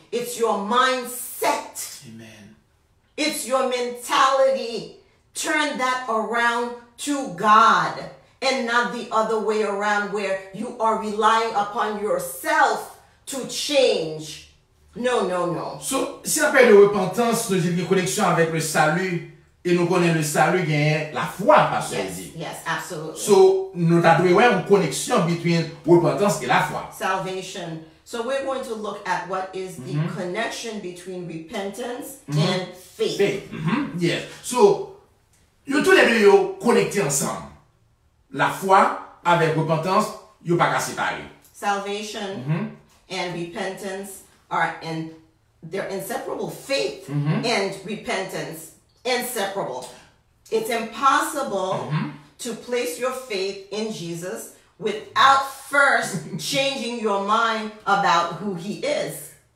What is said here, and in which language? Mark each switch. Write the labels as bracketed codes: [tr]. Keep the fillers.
[en] It's your mindset. Amen. It's your mentality. Turn that around to God and not the other way around where you are relying upon yourself to change. No, no, no. So, [fr] si on appelle repentance, nous avons une connexion avec le salut. Et nous connaissons le salut qui la foi, Pasteur yes, dit. Yes, absolument. So, nous avons une connexion entre repentance et la foi. [en] Salvation. So, we're going to look at what is the mm -hmm. connection between repentance mm -hmm. and faith. Faith. Mm -hmm. Yes. [fr] So, tous les deux connectés ensemble. La foi avec repentance, nous ne pas séparer. [en] Salvation et and repentance are in, they're inseparable. Faith and repentance It's inseparable. It's impossible mm -hmm. to place your faith in Jesus without first changing your mind about who he is.